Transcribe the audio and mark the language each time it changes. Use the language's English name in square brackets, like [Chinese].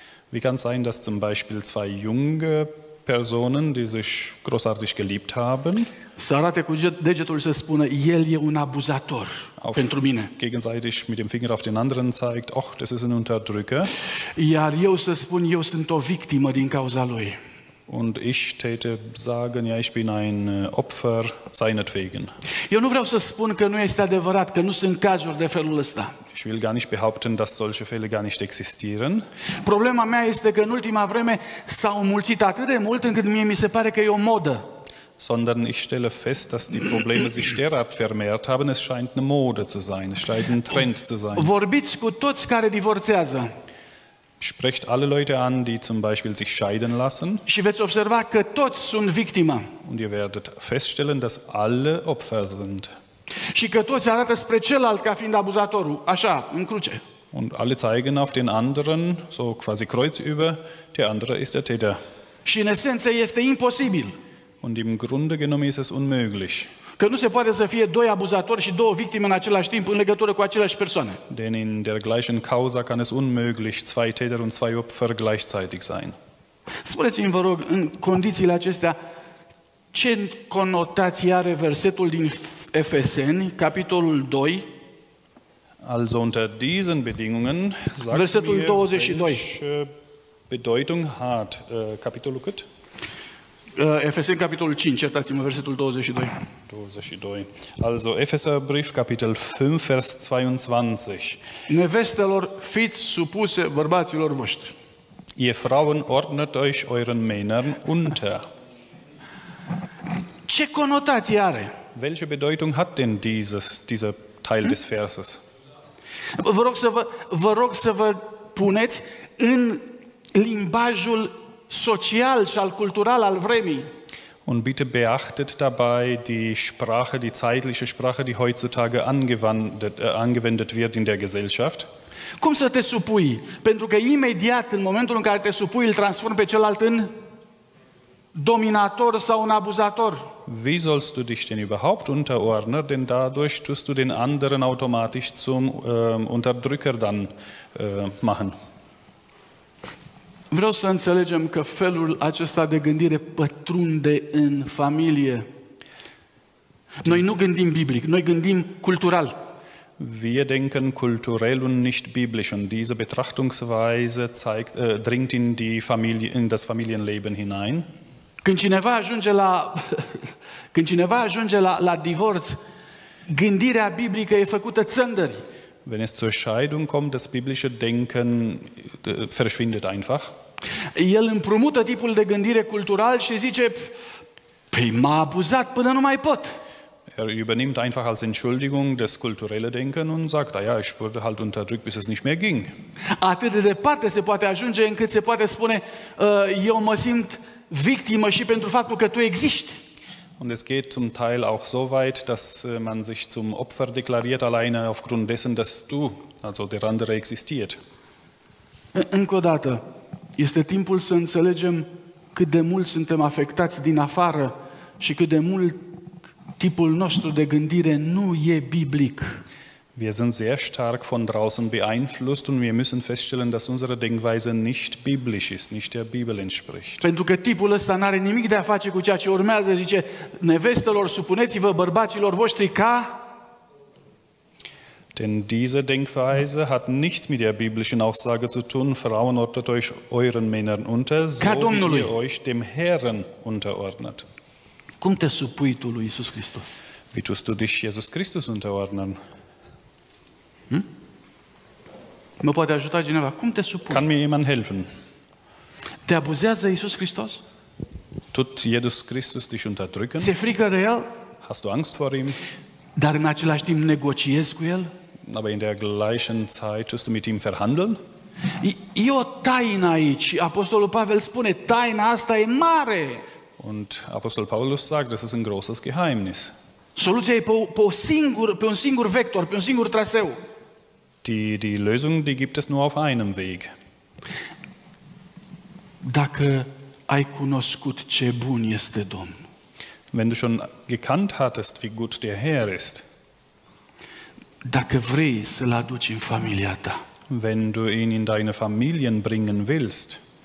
[German] Wie kann sein, dass zum Beispiel zwei junge Personen, die sich großartig geliebt haben, [Romanian] să arate cu degetul să spună el e un abuzator pentru mine. [German] Gegenseitig mit dem Finger auf den anderen zeigt, ach, das ist ein Unterdrücker. [Romanian] Iar eu să spun eu sunt o victimă din cauza lui. [German] Und ich täte sagen, ja, ich bin ein Opfer seinetwegen. [Romanian] Eu nu vreau să spun că nu este adevărat, că nu sunt cazuri de felul ăsta. [German] Ich will gar nicht behaupten, dass solche Fälle gar nicht existieren. [Romanian] Problema mea este că în ultima vreme s-au mulțit atât de mult încât mie mi se pare că e o modă. [German] Sondern ich stelle fest, dass die Probleme sich derart vermehrt haben, es scheint eine Mode zu sein, es scheint ein Trend zu sein. [Romanian] Vorbiți cu toți care divorțează. [German] Sprecht alle Leute an, die zum Beispiel sich scheiden lassen. [Romanian] Și veți observa că toți sunt victime. [German] Und ihr werdet feststellen, dass alle Opfer sind. [Romanian] Și că toți arată spre celălalt ca fiind abuzatorul, așa, în cruce. [German] Und alle zeigen auf den anderen, so quasi kreuzüber, der andere ist der Täter. [Romanian] Și în esență este imposibil. [German] Und im Grunde genommen ist es unmöglich. [Romanian] Că nu se poate să fie doi abuzatori și două victime în același timp în legătură cu aceleași persoane. [German] Denn in der gleichen Causa kann es unmöglich zwei Täter und zwei Opfer gleichzeitig sein. [Romanian] Spuneți-mi, vă rog, în condițiile acestea, ce conotație are versetul din Efeseni, capitolul 2? [German] Also unter diesen Bedingungen sagt [Romanian] versetul [German] 22. Welche Bedeutung hat [Romanian] Kapitolul cât? Efeseni capitolul 5, iertați-mă, versetul 22. [German] 22. Also Epheserbrief capitol 5 vers 22. [Romanian] Nevestelor, fiți supuse bărbaților voștri. [German] Ihr Frauen ordnet euch euren Männern unter. [Romanian] Ce conotație are? [German] Welche Bedeutung hat denn dieser Teil des Verses? [Romanian] Vă rog să vă puneți în limbajul social și al cultural al vremii. [German] Und bitte beachtet dabei die Sprache, die zeitliche Sprache, die heutzutage angewendet wird in der Gesellschaft. [Romanian] Cum să te supui? Pentru că imediat în momentul în care te supui, îl transformi pe celălalt în dominator sau un abuzator. [German] Wie sollst du dich denn überhaupt unterordnen, denn dadurch tust du den anderen automatisch zum Unterdrücker dann machen. [Romanian] Vreau să înțelegem că felul acesta de gândire pătrunde în familie. Noi nu gândim biblic, noi gândim cultural. [German] Wir denken kulturell und nicht biblisch, und diese Betrachtungsweise zeigt, dringt in die Familie, in das Familienleben hinein. [Romanian] Când cineva ajunge la când cineva ajunge la divorț, gândirea biblică e făcută țândări. [German] Wenn es zur Scheidung kommt, das biblische Denken verschwindet einfach. [Romanian] El împrumută tipul de gândire cultural și zice: "Păi m-a abuzat până nu mai pot." [German] Er übernimmt einfach als Entschuldigung das kulturelle Denken und sagt, ja, ich wurde halt unterdrückt, bis es nicht mehr ging. [Romanian] Atât de departe se poate ajunge încât se poate spune, eu mă simt victimă și pentru faptul că tu existi. [German] Und es geht zum Teil auch so weit, dass man sich zum Opfer deklariert, alleine aufgrund dessen, dass du, also der andere, existiert. [Romanian] Încă o dată, este timpul să înțelegem cât de mult suntem afectați din afară și cât de mult tipul nostru de gândire nu e biblic. [German] Wir sind sehr stark von draußen beeinflusst und wir müssen feststellen, dass unsere Denkweise nicht biblisch ist, nicht der Bibel entspricht. [Romanian] Pentru că tipul ăsta n-are nimic de a face cu ceea ce urmează, zice: "Nevestelor, supuneți-vă bărbaților voștri ca..." [German] Denn diese Denkweise hat nichts mit der biblischen Aussage zu tun: "Frauen, ordnet euch euren Männern unter, so wie ihr euch dem Herrn unterordnet." [Romanian] Cum te supui tu lui Iisus Hristos? [German] Wie tust du dich Jesus Christus unterordnen? [Romanian] Hm? Mă poate ajuta cineva? Cum te supui? [German] Kann mir jemand helfen? [Romanian] Te abuzează Iisus Hristos? [German] Tut Jesus Christus dich unterdrücken? [Romanian] Ți-e frică de El? [German] Hast du Angst vor ihm? [Romanian] Dar în același timp negociezi cu El? [German] Aber in der gleichen Zeit tust du mit ihm verhandeln? [Romanian] E o taină aici. Apostolul Pavel spune, taina asta e mare. [German] Und Apostel Paulus sagt, das ist ein großes Geheimnis. [Romanian] Soluția e pe un singur vector, pe un singur traseu. [German] Die Lösung, die gibt es nur auf einem Weg. [Romanian] Dacă ai cunoscut ce bun este Domn. [German] Wenn du schon gekannt hattest, wie gut der Herr ist. [Romanian] Dacă vrei să-l aduci în familia ta. [German] Wenn du ihn in deine Familien bringen willst.